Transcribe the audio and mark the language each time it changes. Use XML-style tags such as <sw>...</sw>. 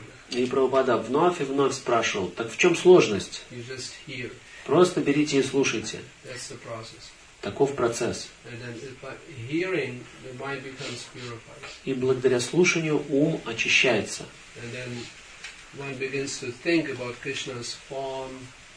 <ru>И Прабхупада вновь и вновь спрашивал, так в чем сложность?</ru> <en>You just hear.</en> <ru>Просто берите и слушайте.</ru> <en>That's the process.</en> <ru>Таков процесс.</ru> <en>And then if by hearing, the mind becomes purified.</en> <ru>И благодаря слушанию ум очищается.</ru> <en>And then one begins to think about Krishna's form.</en>